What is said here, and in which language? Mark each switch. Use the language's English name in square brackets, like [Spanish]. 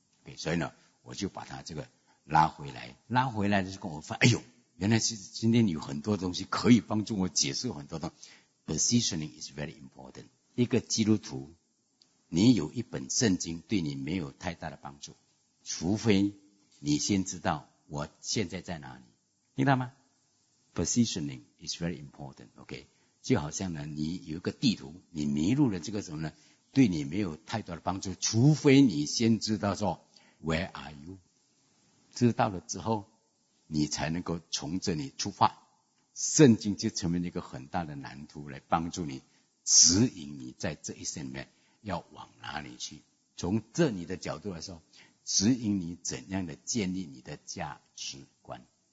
[Chinese] OK， 所以呢我就把它这个拉回来，拉回来的时候我发现，哎呦，原来今天有很多东西可以帮助我解释很多东西。 [English] Positioning is very important。 [Chinese] 一个基督徒，你有一本圣经对你没有太大的帮助，除非你先知道我现在在哪里，听到吗？ [English] Positioning is very important、okay? [Chinese] 就好像呢，你有一个地图，你迷路了，这个什么呢，对你没有太多的帮助，除非你先知道说 [English] Where are you， [Chinese] 知道了之后你才能够从这里出发，圣经就成为一个很大的蓝图来帮助你，指引你在这一生里面要往哪里去，从这里的角度来说，指引你怎样的建立你的价值观。